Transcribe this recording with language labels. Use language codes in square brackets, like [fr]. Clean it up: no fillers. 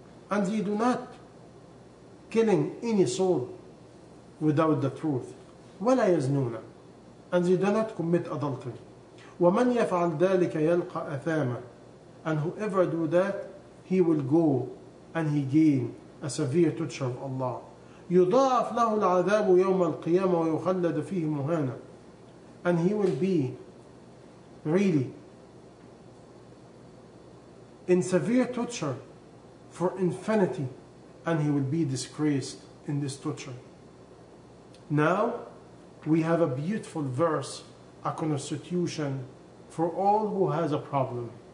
[en] And they do not killing any soul without the truth. [ar] ولا يزنون. [en] And they do not commit adultery. [ar] ومن يفعل ذلك يلقى أثاما. [en] And whoever do that, he will go and he gain a severe torture of Allah. [ar] يضاعف له العذاب يوم القيامة ويخلد فيه مهانا. [en] And he will be really in severe torture for infinity, and he will be disgraced in this torture. Now, we have a beautiful verse, a constitution for all who has a problem.